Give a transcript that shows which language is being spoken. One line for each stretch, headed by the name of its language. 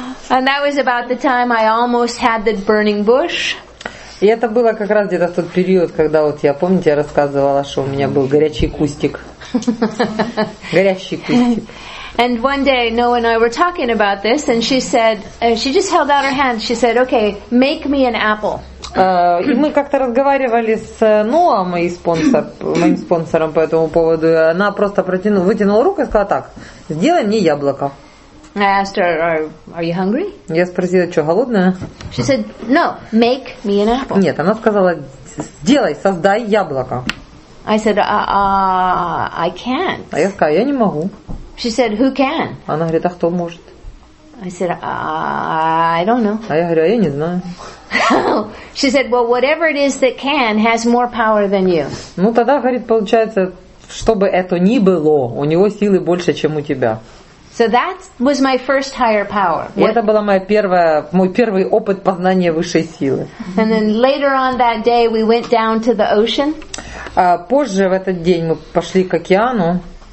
English: And that was about the time I almost had the burning bush.
Russian: И это было как раз где-то в тот период, когда вот я, помните, я рассказывала, что у меня был горячий кустик. Горящий кустик.
English: And one day Noah and I were talking about this and she said, she just held out her hand, she said, okay, make me an apple.
Russian: И мы как-то разговаривали с Ноа, моим спонсором по этому поводу. Она просто вытянула руку и сказала так, сделай мне яблоко.
English: I asked her, are you hungry?
Russian: Я спросила, что, голодная?
English: She said, no, make me an apple.
Russian: Нет, она сказала, сделай, создай яблоко.
English: I said, I can't.
Russian: А я сказала, я не могу.
English: She said, who can?
Russian: Она говорит, а кто может?
English: I said, I don't know.
Russian: А я говорю, а я не знаю.
English: She said, well, whatever it is that can has more power than you.
Russian: Ну, тогда, говорит, получается, чтобы это ни было, у него силы больше, чем у тебя.
English: So that was my first higher power.
Russian: И это была моя первая, мой первый опыт познания высшей силы.
English: And then later on that day we went down to the ocean.
Russian: Позже в этот день мы пошли к океану.